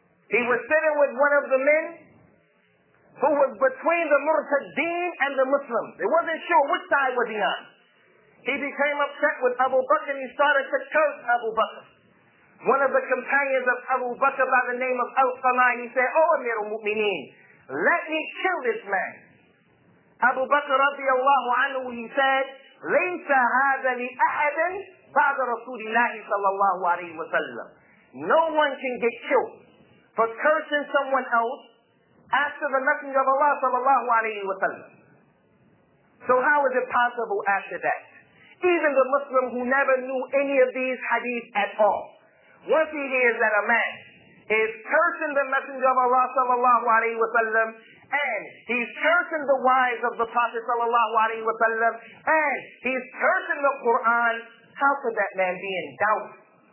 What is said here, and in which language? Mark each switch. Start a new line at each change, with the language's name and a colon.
English: He was sitting with one of the men who was between the Murtadeen and the Muslims. He wasn't sure which side was he on. He became upset with Abu Bakr and he started to curse Abu Bakr. One of the companions of Abu Bakr by the name of Al-Samai, he said, oh Amir al-Mu'mineen, let me kill this man.
Arabic: Abu Bakr radiallahu anhu,
English: he said,
Arabic: لَيْسَ هَذَا لِأَحَدٍ بَعْدَ رَسُولِ اللَّهِ صَلَى اللَّهُ عَلَيْهِ وَسَلَّمُ.
English: No one can get killed for cursing someone else after the Messenger of Allah صلى الله عليه وسلم. So how is it possible after that? Even the Muslim who never knew any of these hadith at all, once he hears that a man is cursing the Messenger of Allah sallallahu alayhi wa sallam, and he's cursing the wives of the Prophet sallallahu alayhi wa sallam, and he's cursing the Quran, how could that man be in doubt?